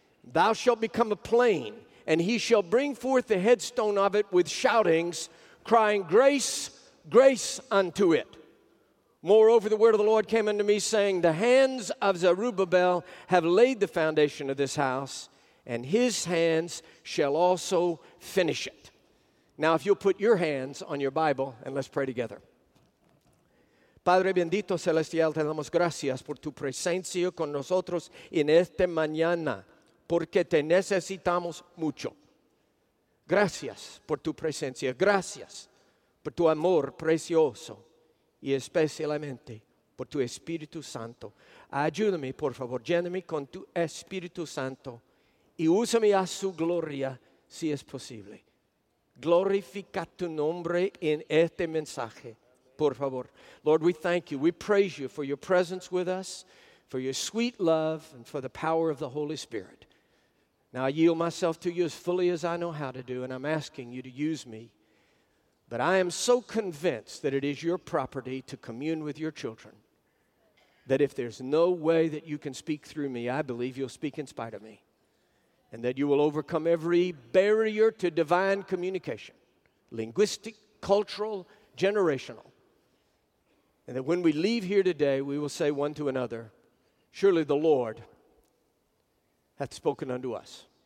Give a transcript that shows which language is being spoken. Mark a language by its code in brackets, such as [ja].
[en] Thou shalt become a plain, and he shall bring forth the headstone of it with shoutings, crying, "Grace, grace unto it." Moreover, the word of the Lord came unto me, saying, "The hands of Zerubbabel have laid the foundation of this house, and his hands shall also finish it." Now, if you'll put your hands on your Bible, and let's pray together. [es] Padre bendito celestial, te damos gracias por tu presencia con nosotros en esta mañana, porque te necesitamos mucho. Gracias por tu presencia, gracias por tu amor precioso, y especialmente por tu Espíritu Santo. Ayúdame, por favor, lléname con tu Espíritu Santo y úsame a su gloria, si es posible. Glorifica tu nombre en este mensaje, por favor. [en] Lord, we thank you. We praise you for your presence with us, for your sweet love, and for the power of the Holy Spirit. Now, I yield myself to you as fully as I know how to do, and I'm asking you to use me. But I am so convinced that it is your property to commune with your children, that if there's no way that you can speak through me, I believe you'll speak in spite of me, and that you will overcome every barrier to divine communication, linguistic, cultural, generational, and that when we leave here today, we will say one to another, "Surely the Lord hath spoken unto us."